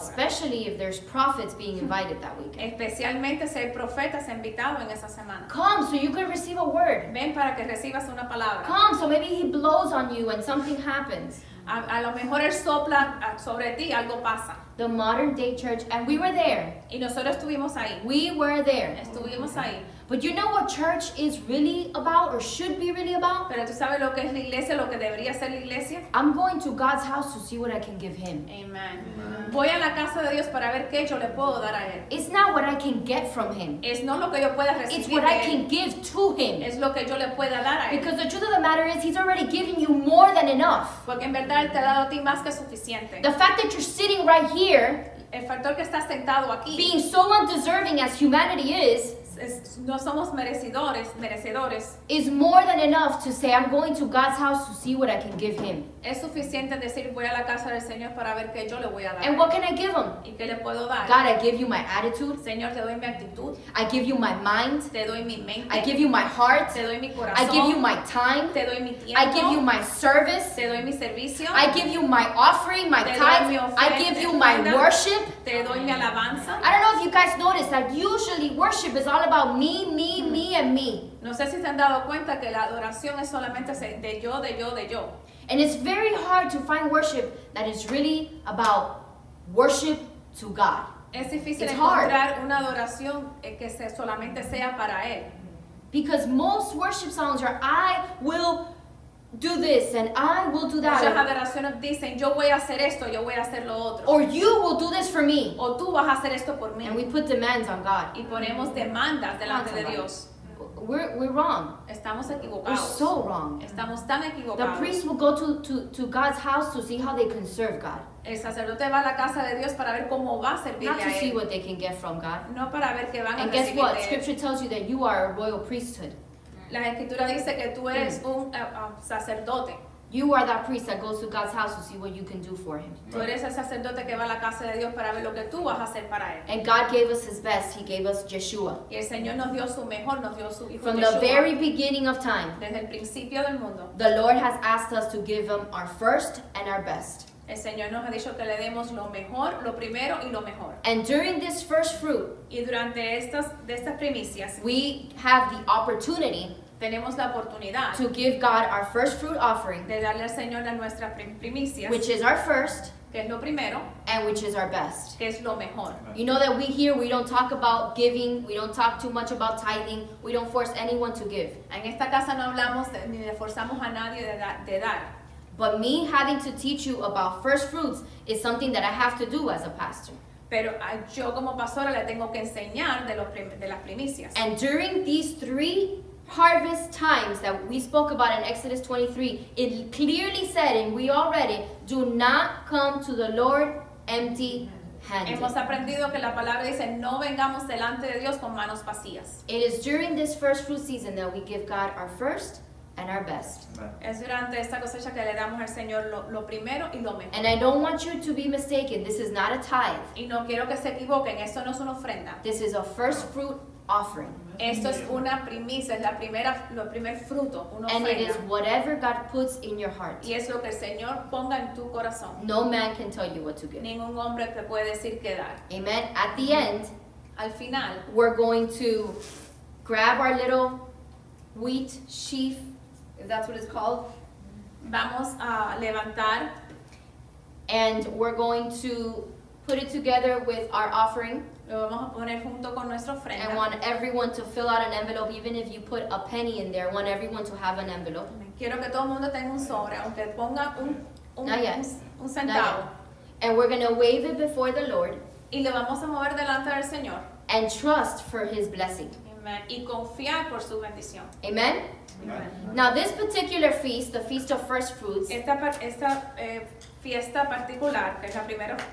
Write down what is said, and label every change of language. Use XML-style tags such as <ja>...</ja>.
<en>Especially if there's prophets being invited that weekend.</en> <es>Especialmente si hay profetas invitados en esa semana.</es> <en>Come so you can receive a word.</en> <es>Ven para que recibas una palabra.</es> <en>Come so maybe he blows on you and something happens.</en> <es>A lo mejor él sopla sobre ti, algo pasa.</es> <en>The modern day church, and we were there.</en> <es>Y nosotros estuvimos ahí.</es> <en>We were there.</en> <es>Estuvimos ahí.</es> <en>But you know what church is really about, or should be really about?</en> <es>Pero tú sabes lo que es la iglesia, lo que debería ser la iglesia.</es> <en>I'm going to God's house to see what I can give Him. Amen.</en> <es>Voy a la casa de Dios para ver qué yo le puedo dar a él.</es> <en>It's not what I can get from Him.</en> <es>Es no lo que yo pueda recibir.</es> <en>It's what I can give to Him.</en> <es>Es lo que yo le pueda dar a él.</es> <en>Because the truth of the matter is, He's already given you more than enough.</en> <es>Porque en verdad te ha dado a ti más que suficiente.</es> <en>The fact that you're sitting right here,</en> <es>el factor que estás sentado aquí,</es> <en>being so undeserving as humanity is.</en> <es>No somos merecedores.</es> <en>Is more than enough to say, I'm going to God's house to see what I can give Him.</en> <es>Es suficiente decir, voy a la casa del Señor para ver qué yo le voy a dar.</es> <en>And what can I give Him?</en> <es>¿Y qué le puedo dar?</es> <en>God, I give you my attitude.</en> <es>Señor, te doy mi actitud.</es> <en>I give you my mind.</en> <es>Te doy mi mente.</es> <en>I give you my heart.</en> <es>Te doy mi corazón.</es> <en>I give you my time.</en> <es>Te doy mi tiempo.</es> <en>I give you my service.</en> <es>Te doy mi servicio.</es> <en>I give you my offering, my tithe. I give you my worship.</en> <es>Te doy mi alabanza.</es> <en>I don't know if you guys noticed that usually worship is all about me, me, me, and me.</en> <es>No sé si se han dado cuenta que la adoración es solamente de yo, de yo, de yo.</es> <en>And it's very hard to find worship that is really about worship to God.</en> <es>Es difícil encontrar una adoración que solamente sea para él.</es> <en>Because most worship songs are, I will do this and I will do that.</en> <es>Muchas adoraciones dicen, yo voy a hacer esto, yo voy a hacer lo otro.</es> <en>Or you will do this for me.</en> <es>O tú vas a hacer esto por mí.</es> <en>And we put demands on God.</en> <es>Y ponemos demandas delante de Dios.</es> <en>We're wrong.</en> <es>Estamos equivocados.</es> <en>We're so wrong.</en> <es>Estamos tan equivocados.</es> <en>The priest will go to God's house to see how they can serve God.</en> <es>El sacerdote va a la casa de Dios para ver cómo va a servirle a él.</es> <en>Not to see what they can get from God.</en> <es>No para ver qué van a recibir.</es> <en>And guess what? Scripture tells you that you are a royal priesthood.</en> <es>La escritura dice que tú eres un sacerdote.</es> <en>You are that priest that goes to God's house to see what you can do for Him.</en> <es>Tú eres el sacerdote que va a la casa de Dios para ver lo que tú vas a hacer para él.</es> <en>And God gave us His best. He gave us Yeshua.</en> <es>Y el Señor nos dio su mejor, nos dio su hijo.</es> <en>From Yeshua. The very beginning of time.</en> <es>Desde el principio del mundo.</es> <en>The Lord has asked us to give Him our first and our best.</en> <es>El Señor nos ha dicho que le demos lo mejor, lo primero y lo mejor.</es> <en>And during this first fruit,</en> <es>y durante estas primicias,</es> <en>we have the opportunity.</en> <es>Tenemos la oportunidad</es> <en>to give God our first fruit offering,</en> <es>de darle al Señor a nuestras primicias,</es> <en>which is our first,</en> <es>que es lo primero,</es> <en>and which is our best,</en> <es>que es lo mejor.</es> <en>You know that we here, we don't talk about giving, we don't talk too much about tithing, we don't force anyone to give.</en> <es>En esta casa no hablamos ni le forzamos a nadie de dar.</es> <en>But me having to teach you about first fruits is something that I have to do as a pastor.</en> <es>Pero yo como pastora le tengo que enseñar de las primicias.</es> <en>And during these three harvest times that we spoke about in Exodus 23, it clearly said, and we all read it, do not come to the Lord empty handed.</en> <es>Hemos aprendido que la palabra dice, no vengamos delante de Dios con manos vacías.</es> <en>It is during this first fruit season that we give God our first and our best.</en> <es>Es durante esta cosecha que le damos al Señor lo primero y lo mejor.</es> <en>And I don't want you to be mistaken, this is not a tithe.</en> <es>Y no quiero que se equivoquen, esto no es una ofrenda.</es> <en>This is a first fruit offering.</en> <es>Esto es una primicia, es la primera, lo primer fruto, una ofrenda.</es> <en>And it is whatever God puts in your heart.</en> <es>Y es lo que el Señor ponga en tu corazón.</es> <en>No man can tell you what to give.</en> <es>Ningún hombre te puede decir qué dar.</es> <en>Amen. At the end,</en> <es>al final,</es> <en>we're going to grab our little wheat sheaf, if that's what it's called.</en> <es>Vamos a levantar.</es> <en>And we're going to put it together with our offering.</en> <es>Lo vamos a poner junto con nuestra ofrenda.</es> <en>I want everyone to fill out an envelope, even if you put a penny in there. I want everyone to have an envelope.</en> <es>Quiero que todo el mundo tenga un sobre, aunque ponga un centavo.</es> <en>And we're going to wave it before the Lord.</en> <es>Y lo vamos a mover delante del Señor.</es> <en>And trust for His blessing.</en> <es>Amen. Y confiar por su bendición.</es> <en>Amen? Amen. Now this particular feast, the Feast of First Fruits,</en> <es>esta fiesta particular, que es la primera,</es>